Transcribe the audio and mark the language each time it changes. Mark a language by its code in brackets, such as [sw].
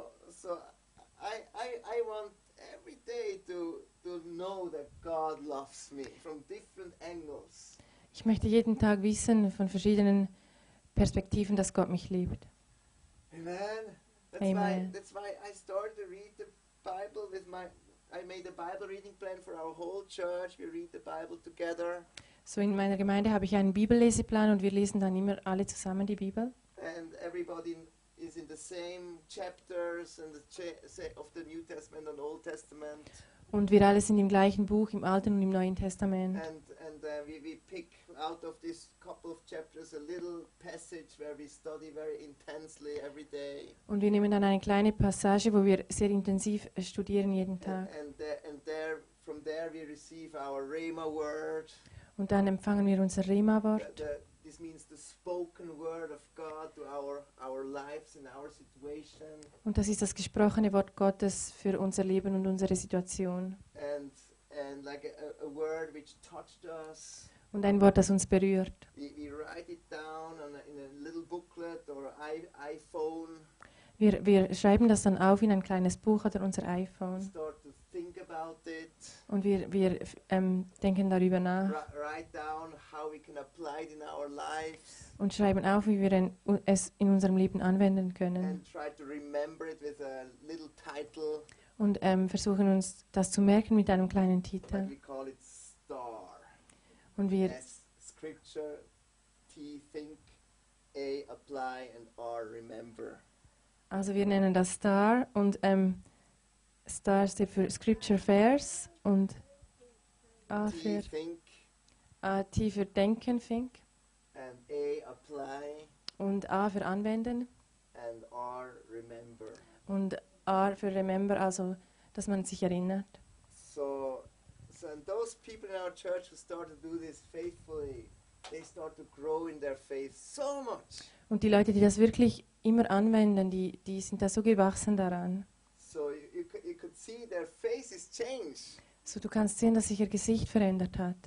[en] So I want every day to know that God loves me from different angles. [de] Ich möchte jeden Tag wissen von verschiedenen Perspektiven, dass Gott mich liebt. Amen. [en] That's why I started to read the Bible with my I made a Bible reading plan for our whole church. We read the Bible together. [de] So in meiner Gemeinde habe ich einen Bibelleseplan und wir lesen dann immer alle zusammen die Bibel. [en] And everybody is in the same chapters and of the New Testament and Old Testament. [de] Und wir alle sind im gleichen Buch im Alten und im Neuen Testament. [en] And we pick out of this couple of chapters a little passage where we study very intensely every day. [de] Und wir nehmen dann eine kleine Passage, wo wir sehr intensiv studieren jeden Tag. [en] And there, from there we receive our Rhema word. [de] Und dann empfangen wir unser Rhema Wort. [en] This means the spoken word of God to our lives and our situation. [de] Und das ist das gesprochene Wort Gottes für unser Leben und unsere Situation. [en] And like a word which touched us. [de] Und ein Wort, das uns berührt. [en] We write it down in a little booklet or iPhone. [de] Wir schreiben das dann auf in ein kleines Buch oder unser iPhone. [en] Start to think about it. [de] Und wir denken darüber nach. [en] Write down how we can apply it in our lives. [de] Und schreiben auf, wie wir es in unserem Leben anwenden können. [en] And try to remember it with a little title. [de] Und versuchen uns das zu merken mit einem kleinen Titel. [en] We call it star. [de] Und wir [en] S, scripture, T, think, A, apply and R, remember. [de] Also wir nennen das Star und Star steht für Scripture Verse und A für [en] think. [de] A, T für Denken, Think. [en] And A, apply. [de] Und A für Anwenden. [en] And R, remember. [de] Und R für remember, also dass man sich erinnert. [en] So and those people in our church who start to do this faithfully, they start to grow in their faith so much. [de] Und die Leute, die das wirklich immer anwenden, die sind da so gewachsen daran. [en] So you could see their faces change. [de] So du kannst sehen, dass sich ihr Gesicht verändert hat.